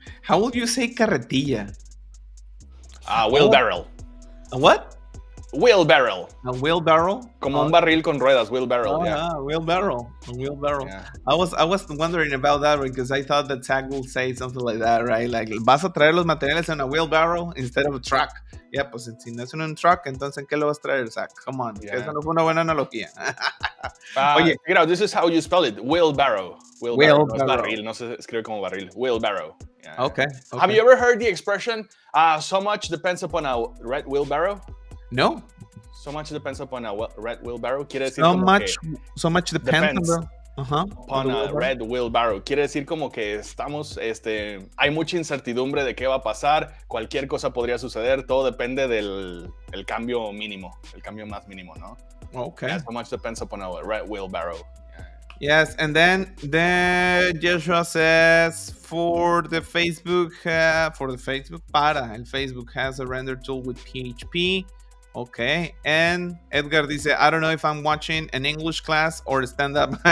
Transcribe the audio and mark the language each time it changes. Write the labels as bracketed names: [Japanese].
[English] How would you say carretilla? Wheelbarrow. What? Wheelbarrow. A wheelbarrow? [Spanish] Como un barril con ruedas, wheelbarrow. [English] Wheelbarrow. Yeah. I was wondering about that because I thought that Zach would say something like that, right? Like, [Spanish] vas a traer los materiales en [English] a wheelbarrow instead of a truck. [Spanish] Yeah, pues si no es en un truck, entonces ¿en qué lo vas a traer, Zach? [English] Come on. [Spanish] Yeah. Esa no fue una buena analogía. Oye. [English] You know, this is how you spell it. [Spanish] Wheelbarrow. Wheelbarrow. Barril. No se escribe como barril. Wheelbarrow. [English] Yeah. Okay. Have you ever heard the expression, so much depends upon a red wheelbarrow? No. So much depends upon a red wheelbarrow. [Spanish] Quiere decir [English] so como much, que so much depends, depends upon a red wheelbarrow. [Spanish] Quiere decir como que estamos, hay mucha incertidumbre de qué va a pasar. Cualquier cosa podría suceder. Todo depende del el cambio mínimo, el cambio más mínimo, ¿no? [English] Okay. Yeah, so much depends upon a red wheelbarrow. Yeah. Yes, and then Joshua says for the Facebook [Spanish] para el Facebook [English] has a render tool with PHP. Okay, and Edgar dice, I don't know if I'm watching an English class or a stand-up.